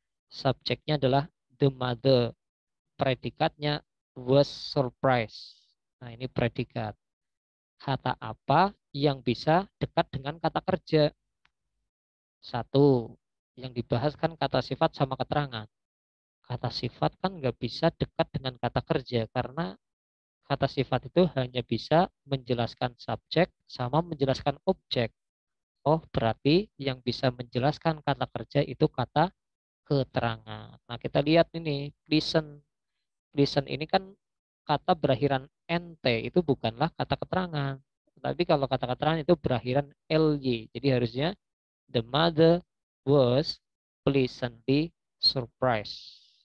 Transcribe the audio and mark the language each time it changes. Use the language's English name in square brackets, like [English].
[Indonesian] Subjeknya adalah [English] the mother. [Indonesian] Predikatnya [English] was surprised. [Indonesian] Nah, ini predikat. Kata apa yang bisa dekat dengan kata kerja? Satu, yang dibahas kan kata sifat sama keterangan. kata sifat kan nggak bisa dekat dengan kata kerja, karena kata sifat itu hanya bisa menjelaskan subjek sama menjelaskan objek. Oh, berarti yang bisa menjelaskan kata kerja itu kata keterangan. Nah, kita lihat ini, listen. Listen ini kan kata berakhiran NT, itu bukanlah kata keterangan. Tapi kalau kata keterangan itu berakhiran LY. Jadi harusnya [English] the mother was pleasantly surprised.